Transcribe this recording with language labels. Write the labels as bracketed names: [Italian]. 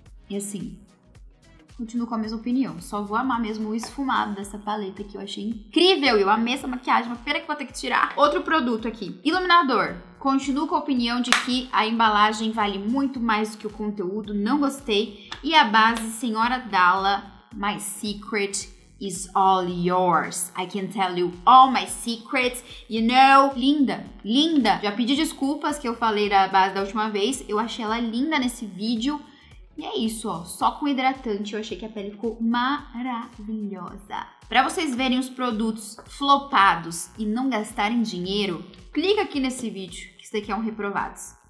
[Portuguese] E assim, continuo com a mesma opinião. Só vou amar mesmo o esfumado dessa paleta, que eu achei incrível. Eu amei essa maquiagem, mas pera que vou ter que tirar. Outro produto aqui. Iluminador. Continuo com a opinião de que a embalagem vale muito mais do que o conteúdo, não gostei. E a base, [English] Senhora Dalla, my secret is all yours. I can tell you all my secrets, you know. [Portuguese] Linda, linda. Já pedi desculpas que eu falei da base da última vez, eu achei ela linda nesse vídeo. E é isso, ó, só com hidratante eu achei que a pele ficou maravilhosa. Pra vocês verem os produtos flopados e não gastarem dinheiro, clica aqui nesse vídeo, que isso daqui é um reprovados.